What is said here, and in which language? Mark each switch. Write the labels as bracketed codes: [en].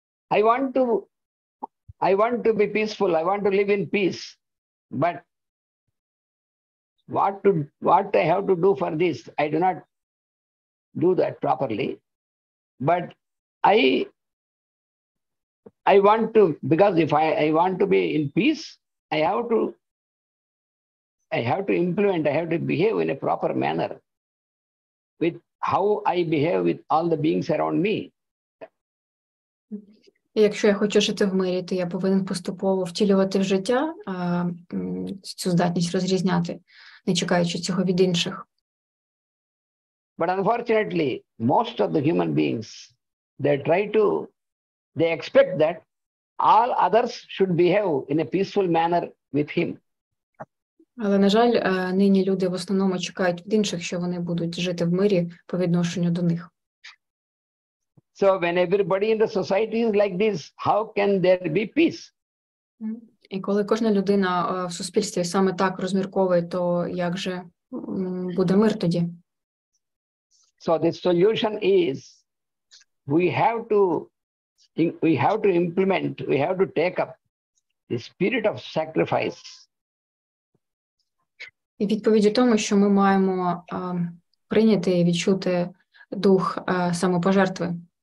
[en] I want to be peaceful, I want to live in peace, but what I have to do for this, I do not do that properly, but I want to, because if I want to be in peace, I have to implement, I have to behave in a proper manner with how I behave with all the beings around me. [uk] Якщо я хочу жити в мирі, то я повинен поступово втілювати в життя цю здатність розрізняти, не чекаючи цього від інших. [en] But unfortunately, most of the human beings, they expect that all others should behave in a peaceful manner with him. [uk] Але, на жаль, нині люди в основному чекають від інших, що вони будуть жити в мирі по відношенню до них. [en] So when everybody in the society is like this, how can there be peace? [uk] І коли кожна людина в суспільстві саме так розмірковує, то як же буде мир тоді? [en] So the solution is we have to implement, we have to take up the spirit of sacrifice. [uk] І відповідь у тому, що ми маємо прийняти і відчути дух самопожертви.